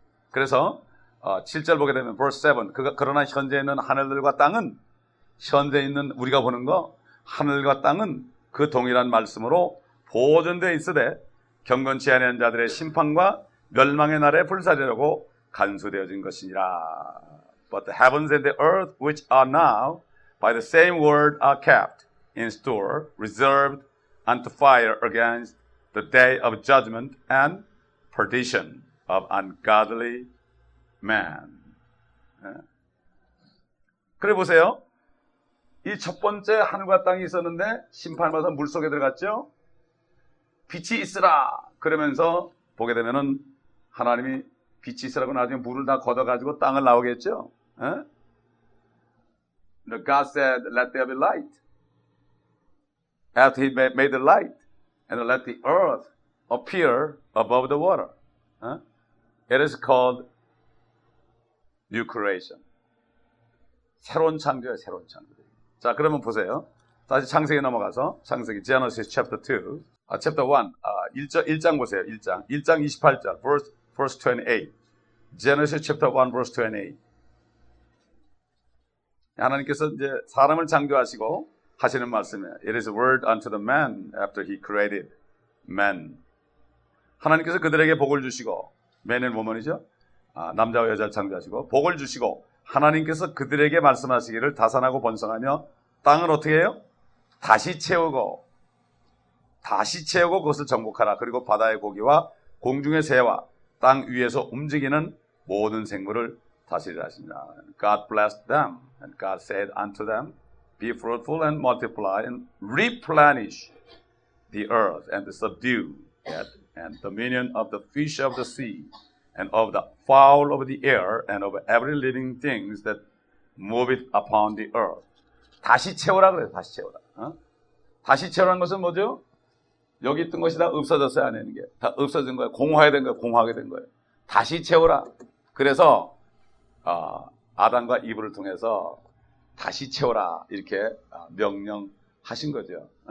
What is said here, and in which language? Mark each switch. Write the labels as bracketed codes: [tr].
[ko] 그래서 7절 보게 되면 verse 7. 그러나 현재 있는 하늘들과 땅은 현재 있는 우리가 보는 거 하늘과 땅은 그 동일한 말씀으로 보존되어 있으되 경건치 않은 자들의 심판과 멸망의 날에 불사리라고 간수되어진 것이니라. [en] But the heavens and the earth, which are now by the same word, are kept in store, reserved unto fire against the day of judgment and perdition of ungodly man. [ko] 그래 보세요. 이 첫 번째 하늘과 땅이 있었는데 심판을 받아서 물 속에 들어갔죠. 빛이 있으라 그러면서 보게 되면은 하나님이 빛이 있으라고 나중에 물을 다 걷어가지고 땅을 나오겠죠. [en] 어? The God said, "Let there be light." After He made the light, and let the earth appear above the water, it is called new creation. [ko] 새로운 창조야, 새로운 창조. 자, 그러면 보세요. 다시 창세기 넘어가서 창세기 [en] Genesis chapter 2, chapter 1, [ko] 1장 보세요. 1장 28절, [en] verse 28. Genesis chapter 1, verse 28. [ko] 하나님께서 이제 사람을 창조하시고 하시는 말씀이에요. [en] It is a word unto the man after he created man. [ko] 하나님께서 그들에게 복을 주시고 [en] man and woman [ko] 이죠. 남자와 여자를 창조하시고 복을 주시고 하나님께서 그들에게 말씀하시기를 다산하고 번성하며 땅을 어떻게 해요? 다시 채우고 그것을 정복하라. 그리고 바다의 고기와 공중의 새와 땅 위에서 움직이는 모든 생물을 다시를 하십니다. [en] God blessed them, and God said unto them, Be fruitful and multiply, and replenish the earth, and subdue it, and dominion of the fish of the sea, and of the fowl of the air, and of every living thing that moveth upon the earth. [ko] 다시 채우라 그래요, 다시 채우라. 다시 채우라는 것은 뭐죠? 여기 있던 것이 다 없어졌어요, 안에 있는 게. 다 없어진 거예요, 공허하게 된 거예요. 다시 채우라. 그래서, 아담과 이브를 통해서 다시 채워라 이렇게 명령하신 거죠.